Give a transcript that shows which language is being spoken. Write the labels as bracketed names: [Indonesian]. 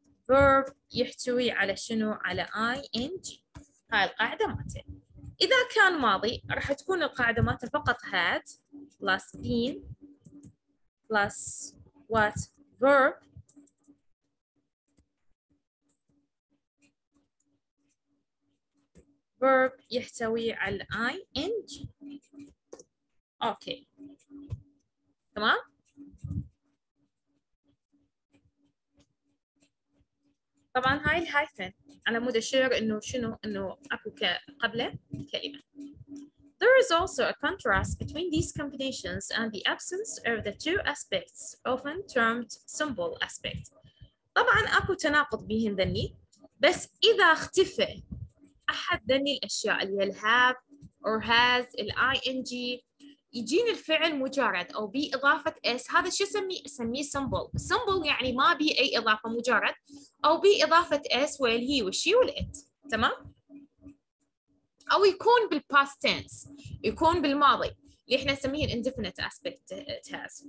[Arabic] verb يحتوي على شنو على ing هاي القاعدة مالته إذا كان ماضي راح تكون القاعدة مالته فقط [English] had plus been plus what verb verb [Arabic] يحتوي على ing. [English] Okay. [Arabic] تمام؟ طبعا هاي الهايفن على مود اشير انه شنو انه اكو قبله كلمة. [English] There is also a contrast between these combinations and the absence of the two aspects often termed symbol aspect. [Arabic] طبعا اكو تناقض بهن ذني بس اذا اختفى أحد ذني الأشياء اللي هي [English] have or has [Arabic] ال ing يجيني الفعل مجرد أو بي إضافة s هذا شو أسميه؟ أسميه symbol. symbol يعني ما بي أي إضافة مجرد أو بي إضافة s ويل هي والشي والإت تمام؟ أو يكون بال past tense يكون بالماضي اللي إحنا نسميه [English] indefinite aspect it has.